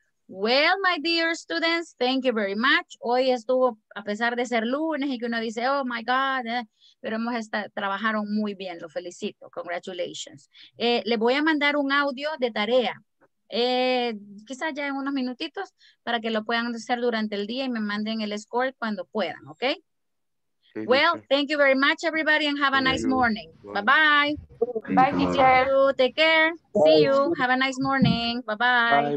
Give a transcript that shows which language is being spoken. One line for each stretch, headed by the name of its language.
English: Well, my dear students, thank you very much.
Spanish: Hoy estuvo, a pesar de ser lunes y que uno dice, oh my God, pero hemos estado, trabajaron muy bien, lo felicito, congratulations. Le voy a mandar un audio de tarea, quizás ya en unos minutitos, para que lo puedan hacer durante el día y me manden el score cuando puedan, ¿ok? Sí, well, sí.
English: Thank you very much, everybody, and have a nice morning. Bye-bye. Bye, teacher. Take care. See you. Have a nice morning. Bye-bye.